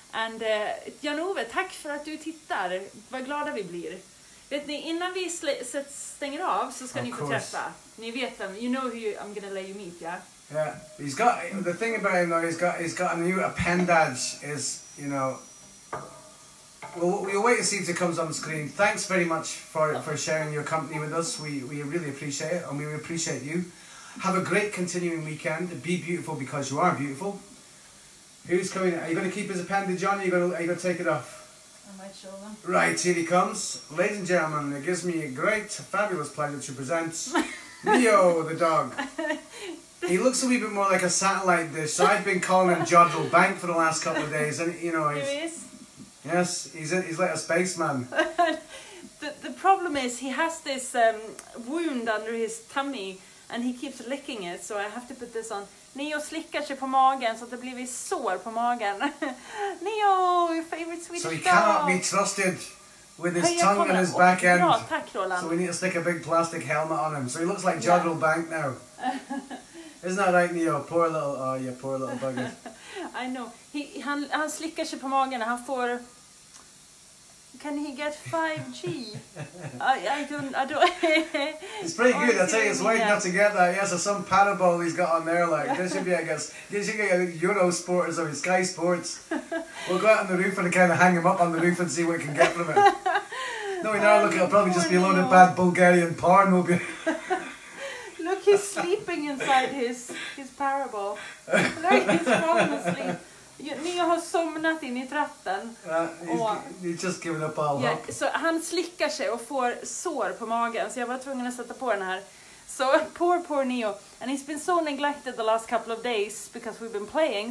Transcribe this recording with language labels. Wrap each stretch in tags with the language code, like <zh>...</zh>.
<sv>And Jan-Ove, tack för att du tittar. Vad glada vi blir. Vet ni, innan vi stänger av så ska ni få träffa. Ni vet vem.</sv> <en>You know who I'm going to let you meet, yeah? Yeah. He's got, the thing about him though, he's got a new appendage is, you know, we'll wait to see if it comes on the screen. Thanks very much for sharing your company with us. We really appreciate it, and we appreciate you. Have a great continuing weekend. Be beautiful because you are beautiful. Who's coming? Are you going to keep his appendage on, or are you going to take it off? I might show them. Right, here he comes. Ladies and gentlemen, it gives me a great, fabulous pleasure to present Neo the dog. He looks a wee bit more like a satellite dish, so I've been calling him Jodrell Bank for the last couple of days. And, you know, he's like a spaceman. The problem is he has this wound under his tummy, and he keeps licking it, so I have to put this on.</en> <sv>Neo slickar sig på magen så att det blir ett sår på magen.</sv> <en>Neo, your favorite Swedish dog. So he cannot be trusted with his tongue and his back end.</en> <sv>Ja, tack, Roland.</sv> <en>So we need to stick a big plastic helmet on him. So he looks like Jodrell Bank now. Isn't that right, Neo? Poor little bugger. I know.</en> <sv>Han slickar sig på magen. Han får...</sv> <en>Can he get 5G? I don't... It's pretty good. I'll tell you, it's wide enough to get that. Yeah, so some parabola he's got on there, like. This should be, I guess... This should be a Eurosport or something. Sky Sports. We'll go out on the roof and kind of hang him up on the roof and see what we can get from it. No, we know. Look, it'll probably just be a load of bad Bulgarian porn. We'll be... Look, he's sleeping inside his parable. Look, he's falling asleep.</en> <sv>Ni har somnat in I tratten.</sv> <en>He's just given up all hope.</en> <sv>Så han slickar sig och får sår på magen. Så jag var tvungen att sätta på den här.</sv> <en>So poor Neo. And he's been so neglected the last couple of days because we've been playing.</en>